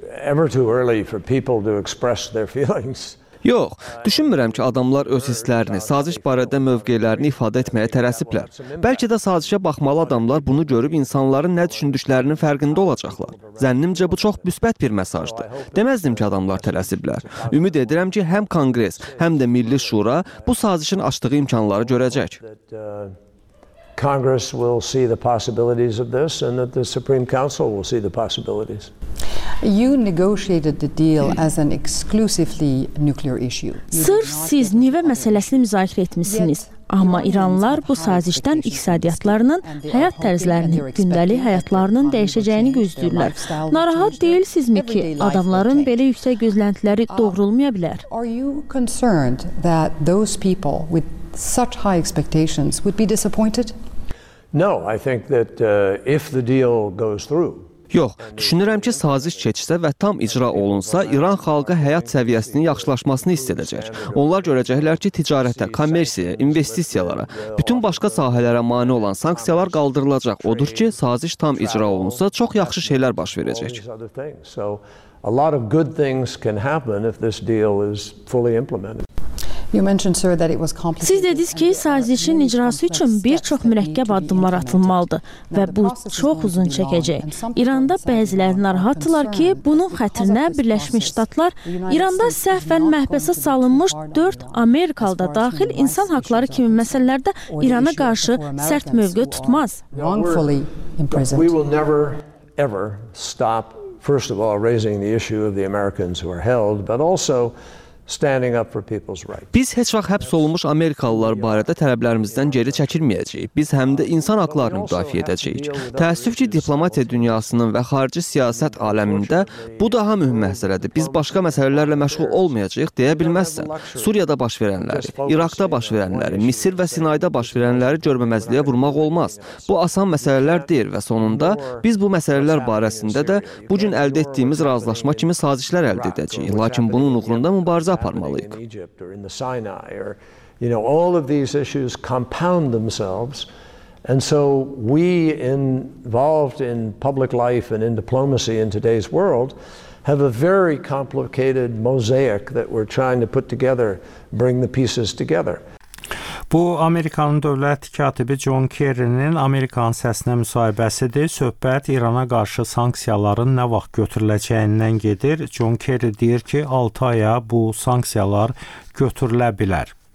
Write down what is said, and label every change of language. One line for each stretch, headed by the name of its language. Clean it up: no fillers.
English: ever too early for people to express their feelings.
Azerbaijani: Yox, düşünmürəm ki, adamlar öz hisslərini, saziş barədə mövqelərini ifadə etməyə tərəsiblər. Bəlkə də sazişə baxmalı adamlar bunu görüb insanların nə düşündüklərinin fərqində olacaqlar. Zənnimcə, bu çox müsbət bir mesajdır. Deməzdim ki, adamlar tərəsiblər. Ümid edirəm ki, həm Konqres, həm də Milli Şura bu sazişin açdığı imkanları görəcək.
English: Congress will see the possibilities of this and that the Supreme Council will see the possibilities. You negotiated the deal as an exclusively nuclear issue.
Azerbaijani: Sırf siz nüvə məsələsini müzakirə etmişsiniz. Amma İranlılar bu sazişdən iqtisadiyyatlarının, həyat tərzlərinin, gündəli həyatlarının dəyişəcəyini gözləyirlər. Narahat deyilsizmi ki, adamların belə yüksək gözləntiləri doğrulmaya bilər?
English: Are you concerned that those people with such high expectations would be disappointed? No, I think that if the deal goes through.
Azerbaijani: Yox, düşünürəm ki, saziş keçsə və tam icra olunsa, İran xalqı həyat səviyyəsinin yaxşılaşmasını istəyəcək. Onlar görəcəklər ki, ticarətə, kommersiyaya, investisiyalara, bütün başqa sahələrə mane olan sanksiyalar qaldırılacaq. Odur ki, saziş tam icra olunsa, çox yaxşı şeylər baş verəcək.
English: So, a lot of good things can happen if this deal is fully implemented. You mentioned, sir, that it was complicated.
Azerbaijani: Siz dediniz ki, sazişin icrası üçün bir çox mürəkkəb addımlar atılmalıdı və bu çox uzun çəkəcək. İranda bəziləri narahatdırlar ki, bunun xətrinə Birləşmiş Ştatlar İranda səhvən məhbəsə salınmış 4 Amerikalı da daxil insan haqları kimi məsələlərdə İrana qarşı sərt mövqe tutmaz.
English: We will never ever stop first of all raising the issue of the Americans who are held, but also standing up for people's rights.
Azerbaijani: Biz heç vaxt həbs olunmuş Amerikalılar barədə tələblərimizdən geri çəkilməyəcəyik. Biz həm də insan haqlarını müdafiə edəcəyik. Təəssüf ki, diplomatiya dünyasının və xarici siyasət aləmində bu daha mühüm məsələdir. Biz başqa məsələlərlə məşğul olmayacağıq deyə bilməzsən. Suriyada baş verənləri, İraqda baş verənləri, Misir və Sinayda baş verənləri görməməzliyə vurmaq olmaz. Bu asan məsələlər deyil və sonunda biz bu məsələlər barəsində də bu gün əldə etdiyimiz razılaşma kimi sazişlər əldə edəcəyik. Lakin bunun uğrunda mübarizə aparmalıyıq.
English: Egypt or in the Sinai or, you know, all of these issues compound themselves, and so we involved in public life and in diplomacy in today's world have a very complicated mosaic that we're trying to put together, bring the pieces together.
Azerbaijani: Bu, Amerikanın dövlət katibi John Kerry'nin Amerikanın səsinə müsahibəsidir. Söhbət İrana qarşı sanksiyaların nə vaxt götürüləcəyindən gedir. John Kerry deyir ki, 6 aya bu sanksiyalar götürülə bilər.